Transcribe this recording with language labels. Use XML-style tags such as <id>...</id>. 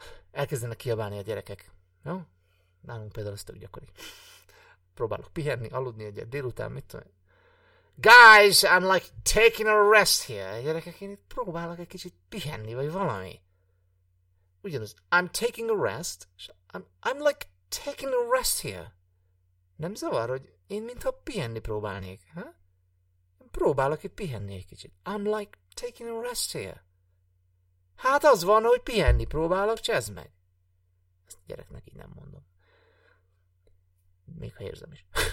<hu>Elkezdenek kiabálni a gyerekek. Jó? Nálunk például ez tök gyakori. Próbálok pihenni, aludni egyet délután, mit tudom.</hu> <en>Guys, I'm like taking a rest here.</en> <hu>A gyerekek, én itt próbálok egy kicsit pihenni, vagy valami.</hu> <en>Ugyanaz, I'm taking a rest, I'm like taking a rest here.</en> <hu>Nem zavar, hogy én mintha pihenni próbálnék, ha? Próbálok itt pihenni egy kicsit.</hu> <en>I'm like taking a rest here.</en> <hu>Hát az van, hogy pihenni próbálok, csezd meg. Ezt a gyereknek így nem mondom. Még ha érzem is.</hu>